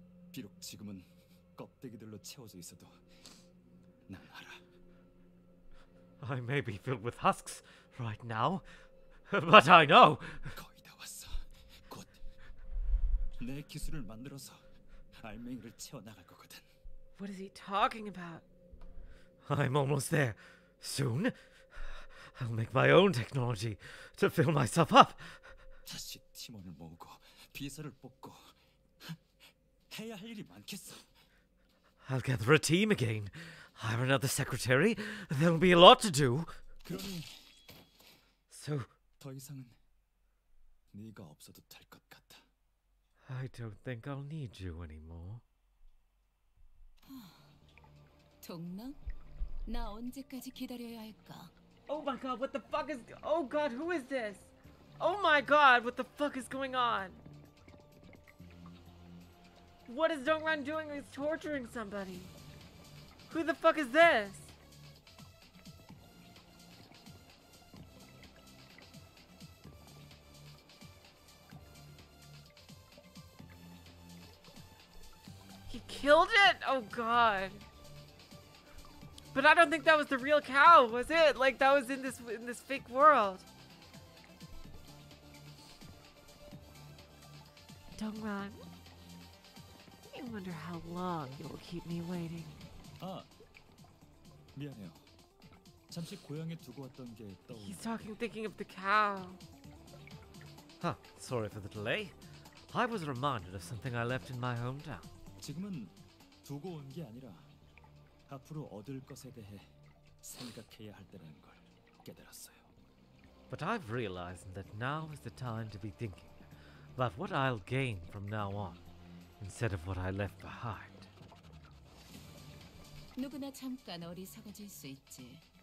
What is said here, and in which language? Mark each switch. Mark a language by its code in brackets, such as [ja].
[ko] 비록 지금은 껍데기들로 채워져 있어도 난 알아. [en] I may be filled with husks right now, but I know. [ko] 거의 다 왔어. 곧 내 기술을 만들어서 알맹이를 채워 나갈 거거든. [en] What is he talking about? I'm almost there. Soon, I'll make my own technology to fill myself up. [ko] 다시 팀원을 모으고 비서를 뽑고 해야 할 일이 많겠어. [en] I'll gather a team again. Hire another secretary. There'll be a lot to do. [ko] 그러니 [en] so [ko] 더 이상은 네가 없어도 될 것 같아. [en] I don't think I'll need you anymore. [ko] 동랑, 나 언제까지 기다려야 할까? [en] Oh my God, what the fuck is? Oh God, who is this? Oh my God, what the fuck is going on? What is Dongrang doing? He's torturing somebody. Who the fuck is this? He killed it? Oh God. But I don't think that was the real cow, was it? Like that was in this fake world. Dongrang. I wonder how long you'll keep me waiting. [ko] 아, 미안해요. 잠시 고향에 두고 왔던 게 떠오르네. [en] He's talking, thinking of the cow. Huh, sorry for the delay. I was reminded of something I left in my hometown. [ko] 지금은 두고 온 게 아니라 앞으로 얻을 것에 대해 생각해야 할 때라는 걸 깨달았어요. [en] But I've realized that now is the time to be thinking about what I'll gain from now on instead of what I left behind. [ko] 누구나 잠깐 어리석어질 수 있지.